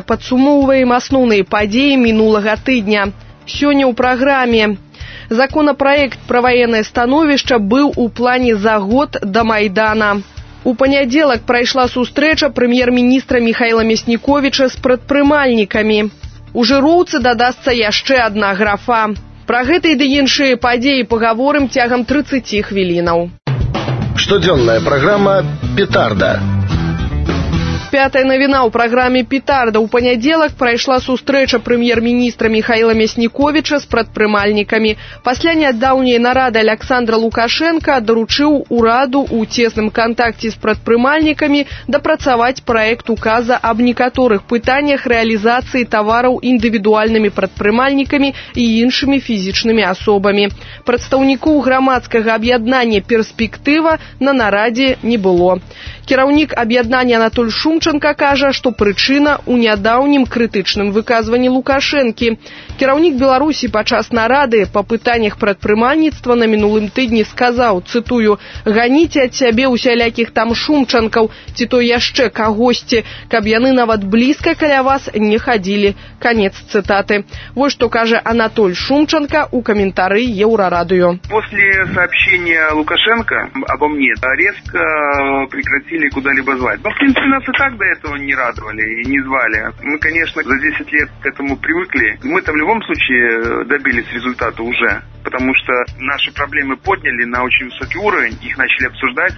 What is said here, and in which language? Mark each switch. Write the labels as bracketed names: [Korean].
[Ukrainian] Підсумовуємо основні події минулого тижня. Сьогодні у програмі. Законопроект про воєнне становище був у плані за год до Майдана. У понеділок пройшла зустріча прем'єр-міністра Михайла Мясніковича з предпримальниками. [Belarusian] У Жироўцы дадасца яшчэ одна графа. Про гэта і да іншыя падзеі паговорым тягам 30 хвілінаў. Штодзённая праграма «Петарда». Пятая навіна ў праграме «Петарда». У панядзелак прайшла сустрэча прэм'ер-міністра Михайла Мясніковіча з прадпрымальнікамі. Пасля нядаўняй нарады Аляксандра Лукашэнка даручыў ураду ў цесным кантакце з прадпрымальнікамі дапрацаваць праект указа аб некаторых пытаннях рэалізацыі тавараў індывідуальнымі прадпрымальнікамі і іншымі фізічнымі асобамі. Прадстаўнікоў грамадскага аб'яднання «Перспектыва» на нарадзе не было. Кіраўнік аб'яднання Анатоль Шумченка кажа, што прычына ў нядаўнім крытычным выказванні Лукашэнкі. Кіраўнік Беларусі падчас нарады па пытаннях прадпрымальніцтва на мінулым тыдні сказаў, цытую, «Ганіце ад сябе ўсялякіх там Шумченкаў, ці то яшчэ кагосьці, каб яны нават блізка каля вас не хадзілі». Канец цытаты. Вось што кажа Анатоль Шумченка ў каментары Еўрарадыё. [Russian] «После сообщения Лукашенко обо мне резко прекратили куда-либо звать. Но, в принципе, нас и так до этого не радовали и не звали. Мы, конечно, за 10 лет к этому привыкли. Мы-то в любом случае добились результата уже, потому что наши проблемы подняли на очень высокий уровень, их начали обсуждать.